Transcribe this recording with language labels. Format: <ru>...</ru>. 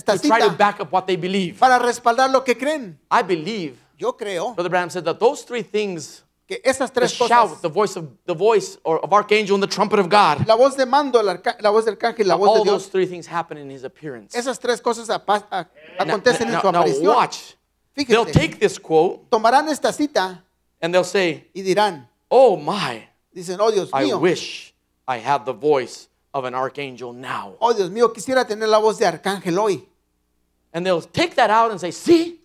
<en>to try to back up what they believe.</en> <es>Para respaldar lo que creen.</es> <en>I believe.</en> <es>Yo creo.</es> <en>Brother Branham said that those three things.</en> <es>Que esas tres</es> <en>the shout,</en> <es>cosas,</es> <en>the voice of archangel and the trumpet of God.</en> <es>La voz de mando, la voz del arcángel, la voz de Dios.</es> <en>All those three things happen in his appearance.</en> <es>Esas tres cosas acontecen en su aparición.</es> <en>Now watch.</en> <es>Fíjese.</es> <en>They'll take this quote.</en> <es>Tomarán esta cita.</es> <en>And they'll say.</en> <es>Y dirán.</es> <en>Oh my.</en> <es>Dicen, oh Dios mío.</es> <en>I wish I had the voice of an archangel now.</en> <es>Oh Dios mío, quisiera tener la voz de arcángel hoy.</es> <en>And they'll take that out and say, see.</en>